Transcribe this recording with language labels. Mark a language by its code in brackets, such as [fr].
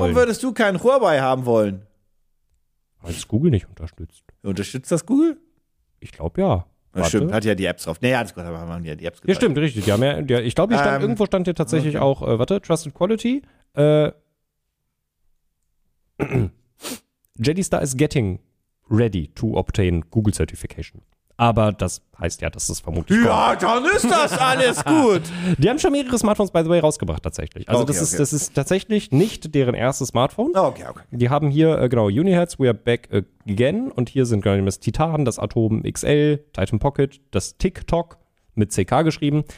[de] Warum würdest du keinen Huawei haben wollen? Weil es Google nicht unterstützt. Unterstützt das Google? Ich glaube ja. Stimmt, hat ja die Apps drauf. Naja, nee, haben wir ja die Apps gezeigt. Ja, stimmt, richtig. Ja, ich glaube, irgendwo stand hier tatsächlich auch, Trusted Quality. [en] Jellystar is getting ready to obtain Google Certification. [de] Aber das heißt ja, dass es vermutlich kommt. Ja, dann ist das alles gut. Die haben schon mehrere Smartphones, [en] by the way, [de] rausgebracht tatsächlich. Also das ist tatsächlich nicht deren erstes Smartphone. Okay. Die haben hier, [en] Uniheads, we are back again. [de] Und hier sind genau das Titan, das Atom XL, Titan Pocket, das TikTok mit CK geschrieben.